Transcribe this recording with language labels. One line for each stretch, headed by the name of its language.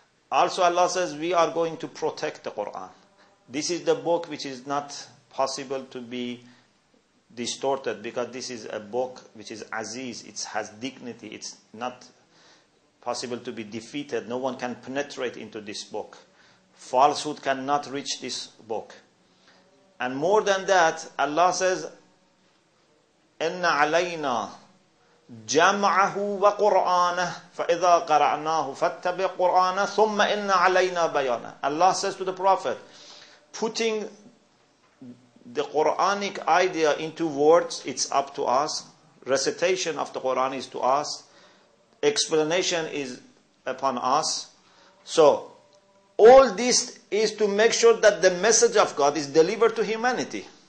English: also Allah says we are going to protect the Quran, this is the book which is not possible to be distorted, because this is a book which is aziz, it has dignity, it's not possible to be defeated, no one can penetrate into this book, falsehood cannot reach this book. And more than that, Allah says,
Arabic: "Inna alayna جمعه وقرآنه فإذا قرأناه فاتبع قرآنه ثم إن علينا بيانه.
English: Allah says to the Prophet, putting the Quranic idea into words, it's up to us. Recitation of the Quran is to us. Explanation is upon us. So all this is to make sure that the message of God is delivered to humanity.